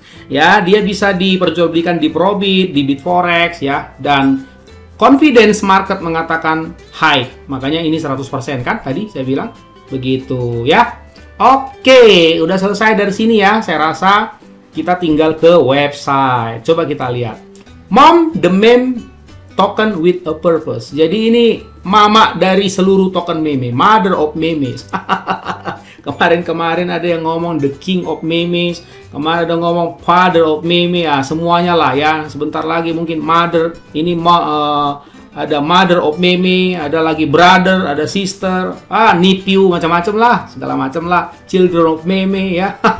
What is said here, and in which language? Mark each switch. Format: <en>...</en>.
<id>Ya, dia bisa diperjualbelikan di Probit, di Bitforex ya, dan</id> <en>confidence market</en> <id>mengatakan high. Makanya ini 100% kan tadi saya bilang begitu ya. Oke, udah selesai dari sini ya. Saya rasa kita tinggal ke website. Coba kita lihat.</id> <en>Mom the meme token with a purpose.</en> <id>Jadi ini mama dari seluruh token meme,</id> <en>mother of memes.</en> <id>Kemarin-kemarin ada yang ngomong</id> <en>the king of memes,</en> <id>kemarin ada yang ngomong</id> <en>father of meme,</en> <id>ya semuanya lah ya. Sebentar lagi mungkin mother, ini ada mother of meme, ada lagi brother, ada sister, nephew, macam-macam lah, segala macam lah,</id> <en>children of meme</en> <id>ya.</id>